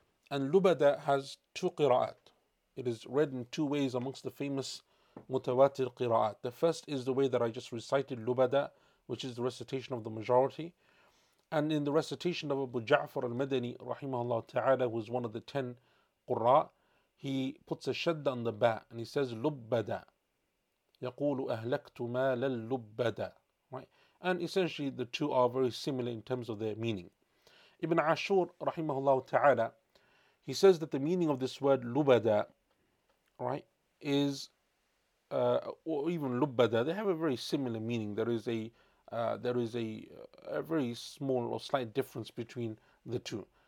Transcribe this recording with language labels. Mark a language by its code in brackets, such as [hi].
[en] And lubada has two qira'at. It is read in two ways amongst the famous mutawatir qira'at. The first is the way that I just recited lubada, which is the recitation of the majority. And in the recitation of Abu Ja'far al-Madani, rahimahullah ta'ala, who is one of the 10 qurra, he puts a shadda on the ba and he says lubada. [ar] يَقُولُ أَهْلَكْتُ مَالَ lubada. [en] Right? And essentially the two are very similar in terms of their meaning. Ibn Ashur, rahimahullah ta'ala, he says that the meaning of this word lubada, right, is Or even lubada, they have a very similar meaning. There is a very small or slight difference between the two.